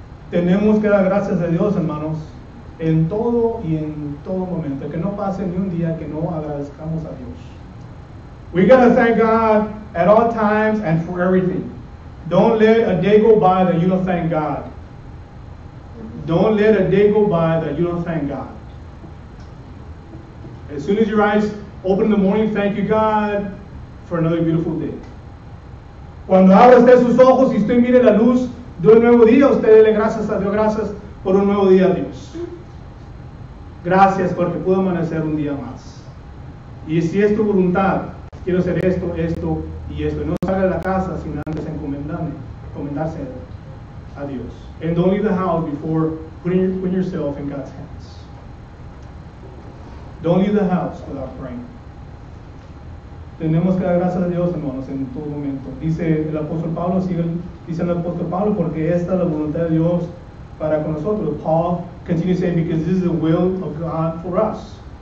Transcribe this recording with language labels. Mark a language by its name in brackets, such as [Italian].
[Spanish] Tenemos que dar gracias a Dios, hermanos, en todo y en todo momento. Que no pase ni un día que no agradezcamos a Dios. [English] We gotta thank God at all times and for everything. Don't let a day go by that you don't thank God. Don't let a day go by that you don't thank God. As soon as your eyes open in the morning, thank you, God, for another beautiful day. [Spanish] Cuando abra usted sus ojos y usted mire la luz de un nuevo día, usted dele gracias a Dios, gracias por un nuevo día, Dios. Gracias porque pudo amanecer un día más. Y si es tu voluntad, quiero hacer esto, esto y esto. No salga de la casa sin antes encomendarse a Dios. [English] And don't leave the house before putting yourself in God's hands. Don't leave the house without praying. [Spanish] Tenemos que dar gracias a Dios, hermanos, en todo momento. Dice el apóstol Pablo, sigue diciendo el apóstol Pablo, porque esta es la voluntad de Dios para con nosotros. [English] Paul continues saying, because this is the will of God for us.